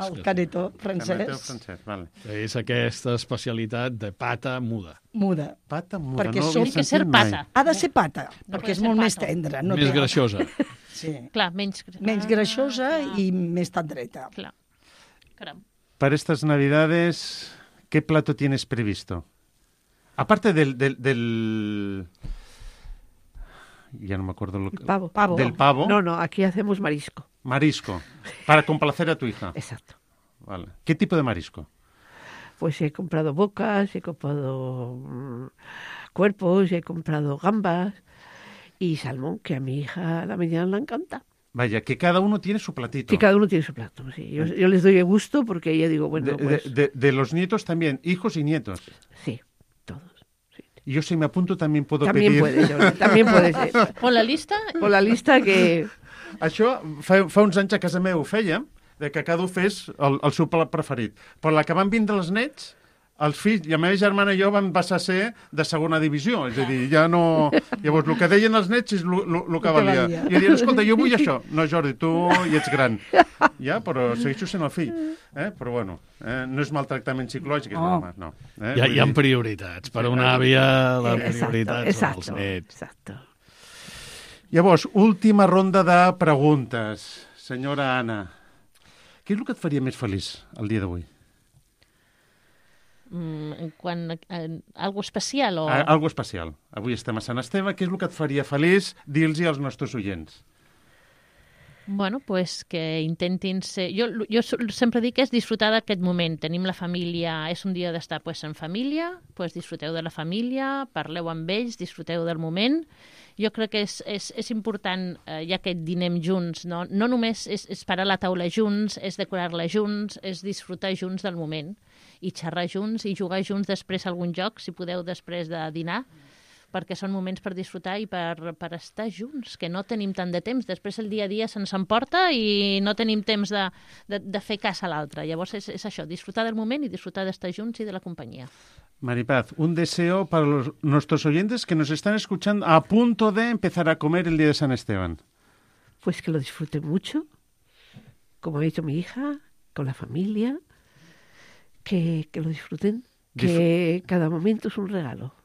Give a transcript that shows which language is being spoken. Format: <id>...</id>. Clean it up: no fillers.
<ca>El canetó francès. Canetó francès, vale. És aquesta especialitat de pata muda. Muda. Pata muda, perquè no ho havia sentit ser pata. Mai. Ha de ser pata, perquè és molt pata. Més tendre. No més greixosa. Sí. Clar, menys greixosa i més tan dreta.</ca> <es>Per estas navidades, ¿qué plato tienes previsto? Aparte del... Ya no me acuerdo lo que... Pavo. Del pavo. No, aquí hacemos marisco. Marisco, para complacer a tu hija. Exacto. Vale. ¿Qué tipo de marisco? Pues he comprado bocas, he comprado cuerpos, he comprado gambas. Y salmón, que a mi hija a la mañana le encanta. Vaya, que cada uno tiene su platito. Que cada uno tiene su plato, sí. Yo les doy el gusto porque ella digo, bueno, De los nietos también, hijos y nietos. Sí, todos. Sí. Yo si me apunto también puedo también pedir. Puede, yo, también puede ser. ¿Por la lista? Por la lista que...</es> <ca>Això fa uns anys a casa meva ho feia, que cada un fes el seu plat preferit. Però la que van vindre els nets, els fills, i la meva germana i jo vam passar a ser de segona divisió, és a dir, ja no... Llavors, el que deien els nets és el que valia. I diuen, escolta, jo vull això. No, Jordi, tu ja ets gran. Ja, però segueixo sent el fill. Però bueno, no és maltractament psicològic, és normal, no. Hi ha prioritats. Per una àvia, la prioritat són els nets. Exacte. Llavors, última ronda de preguntes. Senyora Anna, què és el que et faria més feliç el dia d'avui? Quan, algo especial o... Algo especial. Avui estem a Sant Esteve. Què és el que et faria feliç dir-los als nostres oients? Bueno, pues que intentin ser... Jo sempre dic que és disfrutar d'aquest moment. Tenim la família, és un dia d'estar pues, en família, pues, disfruteu de la família, parleu amb ells, disfruteu del moment. Jo crec que és important, ja que dinem junts, no? No només és parar la taula junts, és decorar-la junts, és disfrutar junts del moment i xerrar junts i jugar junts després a algun joc, si podeu, després de dinar, perquè són moments per disfrutar i per estar junts, que no tenim tant de temps. Després el dia a dia se'ns emporta i no tenim temps de fer cas a l'altre. Llavors és això, disfrutar del moment i disfrutar d'estar junts i de la companyia.</ca> <es>Maripaz, un deseo para los nuestros oyentes que nos están escuchando a punto de empezar a comer el día de San Esteban. Pues que lo disfruten mucho, como ha dicho mi hija, con la familia, que lo disfruten, que cada momento es un regalo.</es>